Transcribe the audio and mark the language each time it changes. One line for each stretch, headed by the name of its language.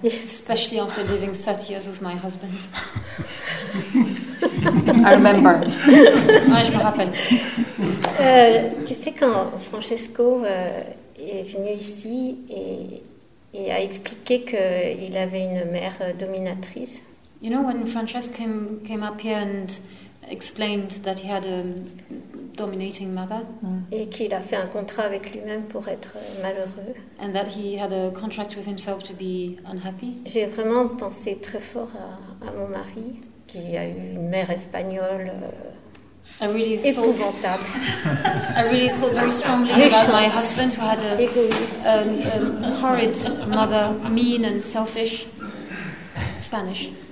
English: Especially after living 30 years with my husband. I remember.
French: Oui, je me rappelle. Tu sais, quand Francesco est venu ici et a expliqué qu'il avait une mère dominatrice.
English: You know, when Francesco came up here and explained that he had a dominating mother,
French: et qu'il a fait un contrat avec lui-même pour être malheureux,
English: and that he had a contract with himself to be unhappy,
French: j'ai vraiment pensé très fort à mon mari, qui a eu une mère espagnole épouvantable.
English: I really thought very strongly about my husband, who had a horrid mother, mean and selfish, Spanish.